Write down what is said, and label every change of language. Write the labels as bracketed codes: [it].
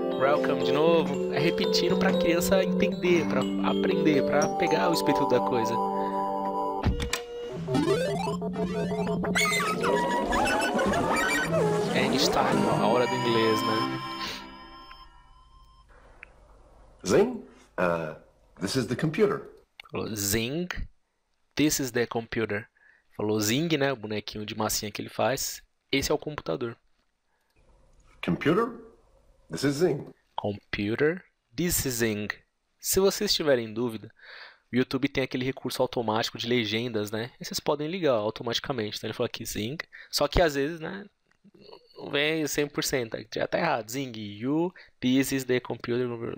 [pt] vendo? Welcome de novo. É repetindo pra criança entender, pra aprender, pra pegar o espírito da coisa. É [en] English time, [pt] ó, a hora do inglês, né? [en] Zing, this is the computer. [pt] Falou [en] Zing, this is the computer. [pt] Falou Zing, né? O bonequinho de massinha que ele faz. Esse é o computador. [en] Computer, this is Zing. Computer, this is Zing. [pt] Se vocês tiverem dúvida, o YouTube tem aquele recurso automático de legendas, né? E vocês podem ligar automaticamente. Então ele falou aqui Zing. Só que às vezes, né? Não vem 100%. Já tá errado. [en] Zing, you, this is the computer.